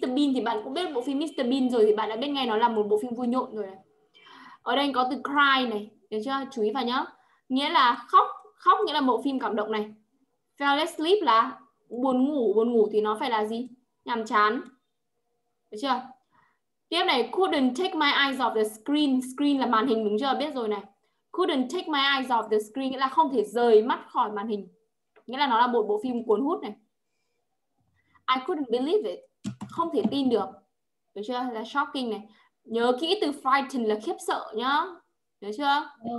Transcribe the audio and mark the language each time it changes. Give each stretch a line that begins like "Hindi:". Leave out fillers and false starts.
Vietnamese: Bean thì bạn cũng biết bộ phim Mr. Bean rồi, thì bạn đã biết ngay nó là một bộ phim vui nhộn rồi này. Ở đây có từ cry này, được chưa? Chú ý vào nhá. Nghĩa là khóc, khóc nghĩa là bộ phim cảm động này.
English: Fell asleep
Vietnamese: là buồn ngủ thì nó phải là gì? Nhàm chán. Được chưa? Tiếp này,
English: couldn't take my eyes off the screen.
Vietnamese: Screen là màn hình, đúng chưa? Biết rồi này.
English: Couldn't take my eyes off the screen
Vietnamese: nghĩa là không thể rời mắt khỏi màn hình. Nghĩa là nó là một bộ phim cuốn hút này.
English: I couldn't believe it.
Vietnamese: Không thể tin được. Được chưa? Là shocking này. Nhớ kỹ từ frightened là khiếp sợ nhá. Được chưa?